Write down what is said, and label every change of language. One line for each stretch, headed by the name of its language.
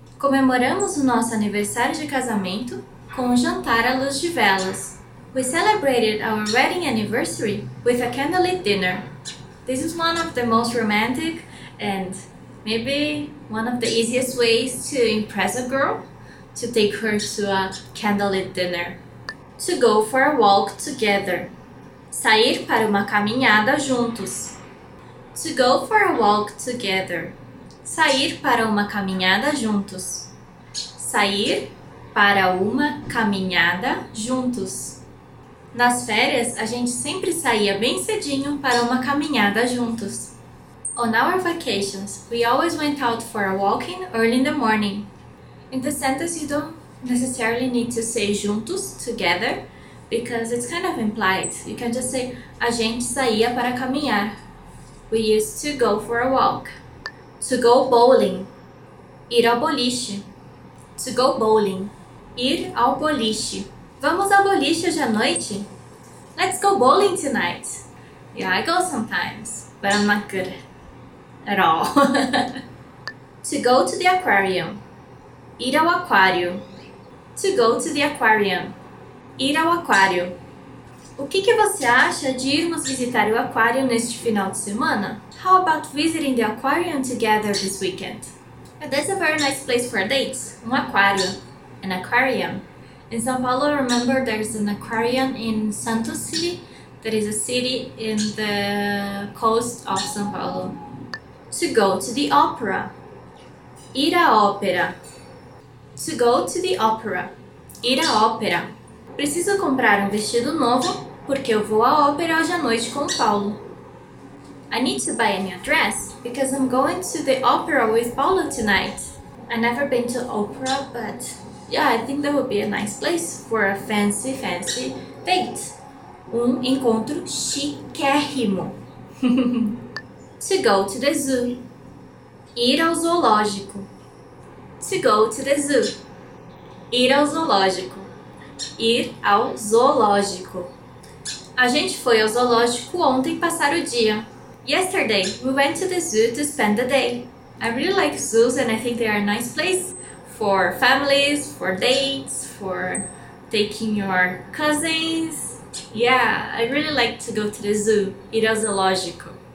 Portuguese: Comemoramos o nosso aniversário de casamento com um jantar à luz de velas.
English: We celebrated our wedding anniversary with a candlelit dinner. This is one of the most romantic and maybe one of the easiest ways to impress a girl, to take her to a candlelit dinner. To go for a walk together.
Portuguese: Sair para uma caminhada juntos.
English: To go for a walk together.
Portuguese: Sair para uma caminhada juntos. Sair para uma caminhada juntos. Nas férias, a gente sempre saía bem cedinho para uma caminhada juntos.
English: On our vacations, we always went out for a walking early in the morning. In the sentence, you don't necessarily need to say juntos, together, because it's kind of implied. You can just say,
Portuguese: a gente saía para caminhar.
English: We used to go for a walk. To go bowling.
Portuguese: Ir ao boliche.
English: To go bowling.
Portuguese: Ir ao boliche. Vamos ao boliche hoje à noite?
English: Let's go bowling tonight. Yeah, I go sometimes, but I'm not good at all. To go to the aquarium.
Portuguese: Ir ao aquário.
English: To go to the aquarium.
Portuguese: Ir ao aquário. O que você acha de irmos visitar o aquário neste final de semana?
English: How about visiting the aquarium together this weekend? That's a very nice place for a date.
Portuguese: Um aquário.
English: An aquarium. In São Paulo, remember there's an aquarium in Santos City, that is a city in the coast of São Paulo. To go to the opera.
Portuguese: Ir à ópera.
English: To go to the opera.
Portuguese: Ir à ópera. Preciso comprar vestido novo porque eu vou à ópera hoje à noite com o Paulo.
English: I need to buy a new dress because I'm going to the opera with Paulo tonight. I've never been to opera, but yeah, I think that would be a nice place for a fancy, fancy date.
Portuguese: Um encontro chiquérrimo.
English: To go to the zoo.
Portuguese: Ir ao zoológico.
English: To go to the zoo.
Portuguese: Ir ao zoológico. Ir ao zoológico. A gente foi ao zoológico ontem passar o dia.
English: Yesterday, we went to the zoo to spend the day. I really like zoos and I think they are a nice place for families, for dates, for taking your cousins. Yeah, I really like to go to the zoo.
Portuguese: Ir ao zoológico.